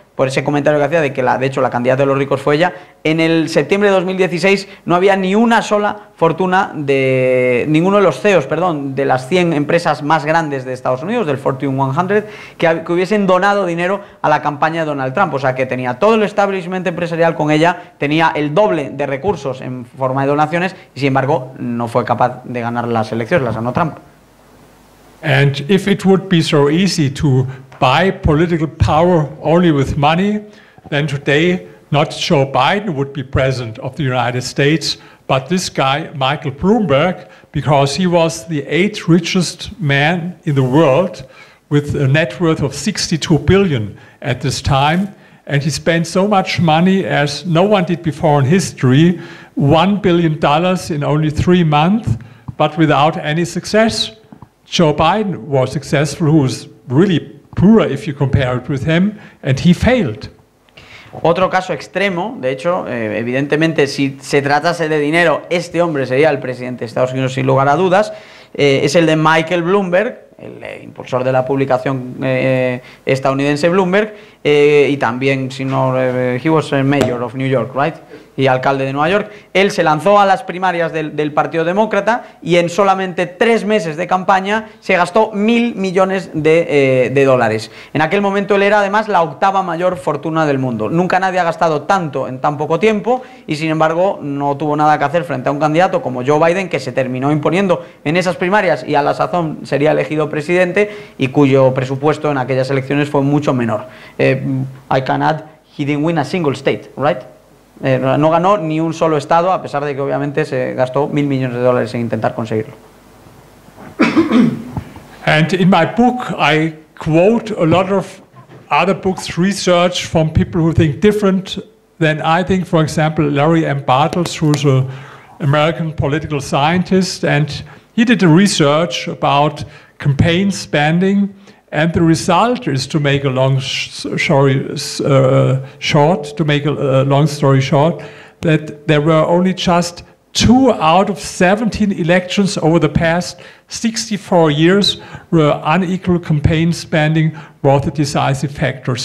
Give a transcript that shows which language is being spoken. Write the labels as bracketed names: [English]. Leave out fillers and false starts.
[Spanish] por ese comentario que hacía de que, de hecho, la candidata de los ricos fue ella. En el septiembre de 2016 no había ni una sola fortuna de ninguno de los CEOs, perdón, de las 100 empresas más grandes de Estados Unidos, del Fortune 100, que hubiesen donado dinero a la campaña de Donald Trump. O sea, que tenía todo el establishment empresarial con ella, tenía el doble de recursos en forma de donaciones, y sin embargo no fue capaz de ganar las elecciones, las ganó Trump. [English] And if it would be so easy to buy political power only with money, then today not Joe Biden would be president of the United States, but this guy, Michael Bloomberg, because he was the 8th richest man in the world with a net worth of $62 billion at this time. And he spent so much money as no one did before in history, $1 billion in only 3 months, but without any success. Joe Biden was successful, who was really poorer if you compare it with him, and he failed. [Spanish] Otro caso extremo, de hecho, evidentemente, si se tratase de dinero, este hombre sería el presidente de Estados Unidos sin lugar a dudas, es el de Michael Bloomberg, el impulsor de la publicación estadounidense Bloomberg, y también, si no, [English] he was mayor of New York, right? [Spanish] Y alcalde de Nueva York. Él se lanzó a las primarias del Partido Demócrata y en solamente 3 meses de campaña se gastó $1,000 millones de dólares. En aquel momento él era además la octava mayor fortuna del mundo. Nunca nadie ha gastado tanto en tan poco tiempo y sin embargo no tuvo nada que hacer frente a un candidato como Joe Biden, que se terminó imponiendo en esas primarias y a la sazón sería elegido presidente, y cuyo presupuesto en aquellas elecciones fue mucho menor. [English] I can add, he didn't win a single state, right? [Spanish] No ganó ni un solo estado, a pesar de que obviamente se gastó $1,000 millones de dólares en intentar conseguirlo. [English] And in my book I quote a lot of other books research from people who think different than I think. For example, Larry M. Bartels, who's an American political scientist, and he did a research about campaign spending, and the result is, to make a long story short, to make a long story short, that there were only just 2 out of 17 elections over the past 64 years where unequal campaign spending was the decisive factor.